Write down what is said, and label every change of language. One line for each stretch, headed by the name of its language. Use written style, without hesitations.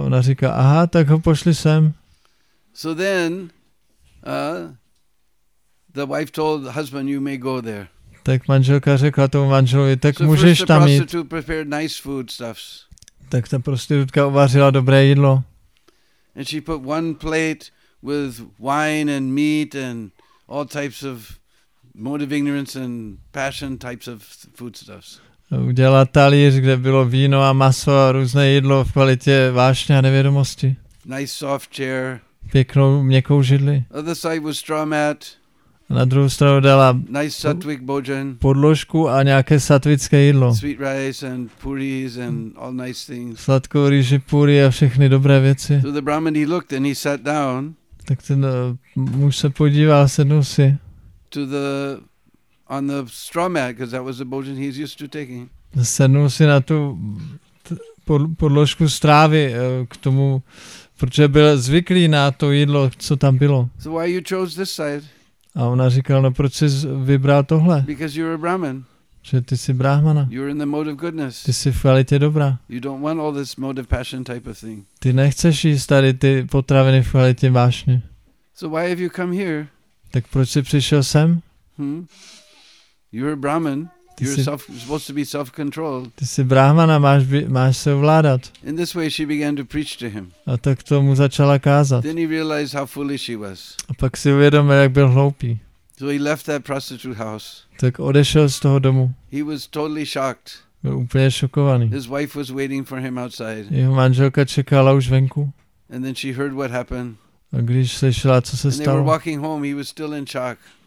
Czech: ona říká, aha, tak ho pošli sem.
English: So then the wife told the husband you may go there.
Czech: Tak manželka řekla tomu manželovi, tak
English: so
Czech: můžeš tam jít.
English: Prostitutka prepared nice food stuffs.
Czech: Tak ta prostitutka uvařila dobré jídlo.
English: And she put one plate with wine and meat and all types of motive ignorance and passion types of food stuffs.
Czech: Udělala talíř, kde bylo víno a maso a různé jídlo v kvalitě vášně a nevědomosti.
English: Nice soft chair.
Czech: Pěknou, měkkou židli.
English: Other side was straw mat.
Czech: Na druhou stranu dala
English: nice sattvic bhojan.
Czech: Podložku a nějaké sattvické jídlo.
English: Sweet rice and puris and all nice things.
Czech: Sladkou rýži, puri a všechny dobré věci.
English: So the brahmin he looked and he sat down.
Czech: Tak ten muž se podíval, sednul si.
English: To the on the straw mat, because that was the bhojan he's used to taking.
Czech: Sednul si na tu podložku strávy k tomu. Protože byl zvyklý na to jídlo, co tam bylo.
English: So why you chose this side?
Czech: A ona říkala, no proč jsi vybral tohle?
English: Because you're a Brahmin.
Czech: Že ty jsi brahmana.
English: You're in the mode of goodness.
Czech: Ty jsi v kvalitě dobrá.
English: You don't want all this mode of passion type of thing.
Czech: Ty nechceš jíst tady ty potraviny v kvalitě vášně.
English: So why have you come here?
Czech: Tak proč jsi přišel sem?
English: You're a Brahmin. You're supposed to be self-controlled.
Czech: Ty jsi brahmana, máš se ovládat.
English: In this way she began to preach to him.
Czech: A tak to mu začala kázat.
English: Then he realized how foolish he was.
Czech: A pak si uvědomil, jak byl hloupý.
English: So he left that prostitute house.
Czech: Tak odešel z toho domu.
English: He was totally shocked.
Czech: Byl úplně šokovaný.
English: His wife was waiting for him outside.
Czech: Jeho manželka čekala už venku.
English: And then she heard what happened.
Czech: A když slyšela, co se
English: and
Czech: stalo.
English: And they were walking home, he was still in shock.